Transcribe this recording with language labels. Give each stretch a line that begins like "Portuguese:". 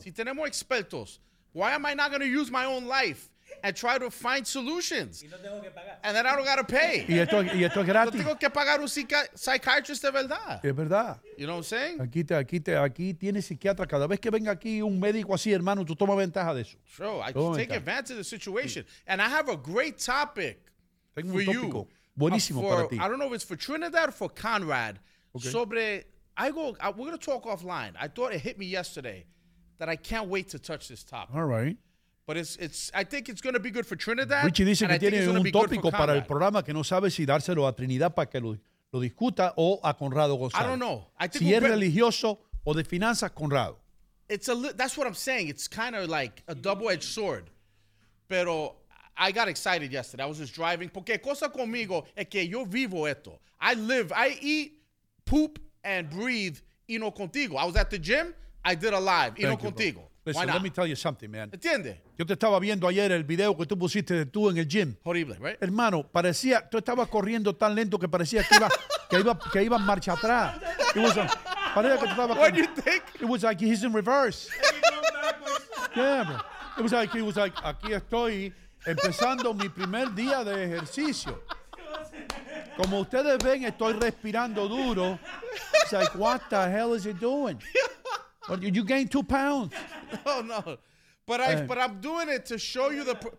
Spanish: Si tenemos expertos,
English: why am I not going to use my own life and try to find solutions?
Spanish: Y no tengo que pagar.
English: And then I don't got to pay.
Spanish: Y esto es gratis. No tengo que pagar un psychiatrist de verdad. Es verdad.
English: You know what I'm saying?
Spanish: Aquí tiene psiquiatra. Cada vez que venga aquí un médico así, hermano, tú tomas ventaja de eso.
English: Sure, I can take advantage of the situation. Sí. And I have a great topic for you.
Spanish: Tengo un tópico buenísimo
English: for,
Spanish: para ti.
English: I don't know if it's for Trinidad or for Conrad. Okay. We're going to talk offline. I thought it hit me yesterday that I can't wait to touch this topic. All right. But it's. I think it's going to be good for Trinidad.
Spanish: Richie dice que tiene un tópico para el programa que no sabe si dárselo a Trinidad para que lo discuta o a Conrado González.
English: I don't know. I think
Spanish: si es religioso o de finanzas, Conrado.
English: That's what I'm saying. It's kind of like a double-edged sword. Pero I got excited yesterday. I was just driving.
Spanish: Porque cosa conmigo es que yo vivo esto.
English: I live, I eat, poop, and breathe
Spanish: Hino Contigo.
English: I was at the gym. I did a live Hino Contigo. Bro. Listen, let me tell you something, man.
Spanish: ¿Entiende? Yo te estaba viendo ayer el video que tú pusiste de tú en el gym.
English: Horrible, right?
Spanish: Hermano, parecía, tú estabas corriendo tan lento que parecía que iba, que iba marcha atrás. Parecía que tú estabas.
English: What do you think? It was like he's in reverse. Yeah, bro. It was like,
Spanish: aquí estoy empezando mi primer día de ejercicio. Como ustedes ven, estoy respirando duro.
English: It's like, what the hell is he doing? But you gained 2 pounds. No. But I'm doing it to show you the...